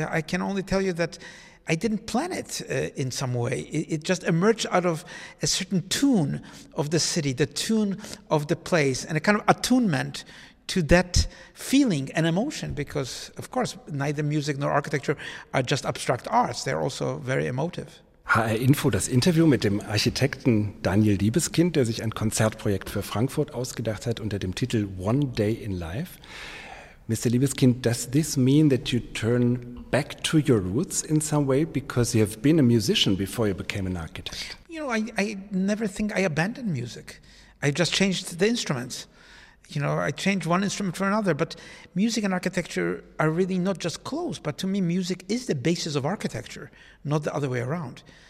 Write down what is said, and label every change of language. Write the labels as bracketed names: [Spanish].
[English] I can only tell you that I didn't plan it in some way. It just emerged out of a certain tune of the city, the tune of the place, and a kind of attunement to that feeling and emotion, because, of course, neither music nor architecture are just abstract arts. They're also very emotive. [German] HR Info, das Interview mit dem Architekten Daniel Liebeskind, der sich ein Konzertprojekt für Frankfurt ausgedacht hat unter dem Titel One Day in Life. [English] Mr. Liebeskind, does this mean that you turn back to your roots in some way because you have been a musician before you became an architect? You know, I never think I abandoned music. I just changed the instruments. You know, I change one instrument for another, but music and architecture are really not just close, but to me, music is the basis of architecture, not the other way around.